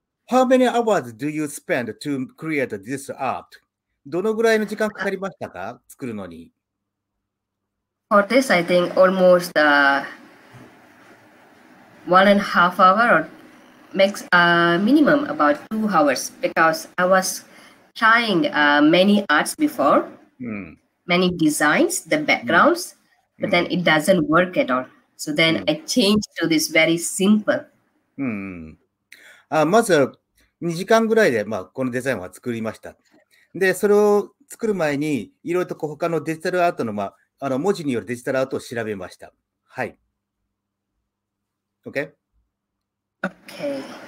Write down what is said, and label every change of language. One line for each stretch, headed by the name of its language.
English: How many hours do you spend to create this art?
Japanese: どのぐらいの時間かかりましたか、作るのに?
English: For this, I think almost 1.5 hours, or makes a minimum about 2 hours, because I was... trying many arts before, many designs, the backgrounds, but then it doesn't work at all. So then I changed to this very simple.
Japanese: まず2時間ぐらいで、このデザインは作りました。で、それを作る前に、いろいろと他のデジタルアートの、文字によるデジタルアートを調べました。はい。
English: Okay? Okay.